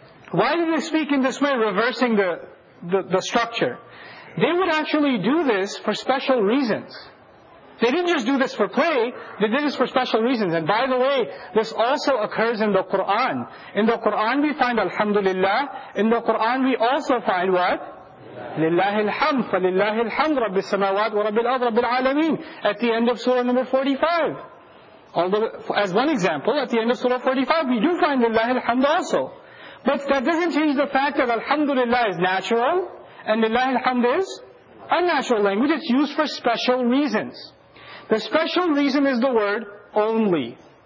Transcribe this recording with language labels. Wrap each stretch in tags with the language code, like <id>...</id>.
<en>Why did they speak in this way, reversing the structure? They would actually do this for special reasons. They didn't just do this for play, they did this for special reasons. And by the way, this also occurs in the Quran. In the Quran we find Alhamdulillah, in the Quran we also find what?</en> <ar>لِلَّهِ الْحَمْدُ فَلِلَّهِ الْحَمْدُ رَبِّ السَّمَاوَاتِ وَرَبِّ الْأَرْضِ رَبِّ الْعَالَمِينَ</ar> <en>at the end of Surah number 45. Although, as one example, at the end of Surah 45, we do find</en> <ar>لِلَّهِ الْحَمْدُ</ar> <en>also. But that doesn't change the fact that Alhamdulillah is natural, and</en> <ar>لِلَّهِ الْحَمْدُ</ar> <en>is unnatural language. It's used for special reasons. The special reason is the word only.</en>